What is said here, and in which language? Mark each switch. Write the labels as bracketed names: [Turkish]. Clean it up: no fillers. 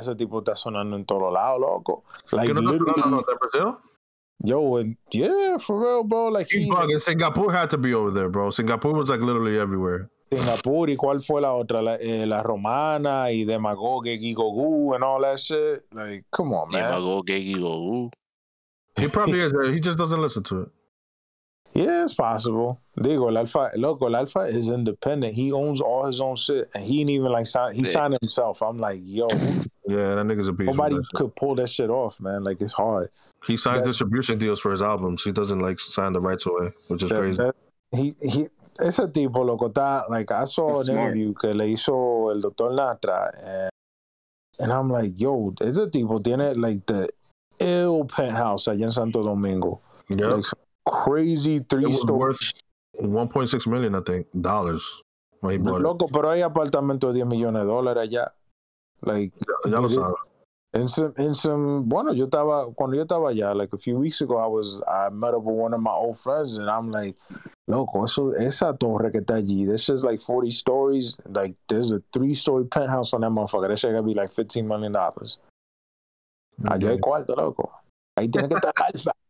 [Spanish] Ese tipo está sonando en todos lados, loco. [English] Like, you know, literally, in Brazil. Yo, and yeah, for real, bro. Like, he Singapore had to be over there, bro. Singapore was like literally everywhere. Singapore, [Spanish] y cuál fue la otra? [English] La Romana y Demagogue Gigogu and all that shit. Like, come on, man. Demagogue Gigogu. He probably is there. He just doesn't listen to it. Yeah, it's possible. [Spanish] Digo, el Alfa, loco, el Alfa [English] is independent. He owns all his own shit. And he ain't even like signed. He signed himself. I'm like, yo. Yeah, that nigga's a beast. Nobody could pull that shit off, man. Like, it's hard. He signs distribution deals for his albums. He doesn't like sign the rights away, which is crazy. [Spanish] Ese tipo, loco, está, [English] like, I saw an interview [Spanish] que le hizo el Dr. [English] Natra, and I'm like, yo, [Spanish] ese tipo tiene, [English] like, the ill penthouse [Spanish] allá en [English] Santo Domingo. Yeah. Like, crazy three-story. Worth $1.6 million, I think, dollars when he bought it. [Spanish] Loco, pero hay apartamento de 10 millones de dólares allá. [English] Like, [Spanish] ya lo sabe. Yo estaba allá, [English] like a few weeks ago, I met up with one of my old friends, and I'm like, [Spanish] loco, esa torre que está allí, [English] this is like 40 stories, like there's a three-story penthouse on that motherfucker, that shit gonna be like $15 million. [Spanish] Allá hay cuarto, loco. Ahí tiene que estar alfa.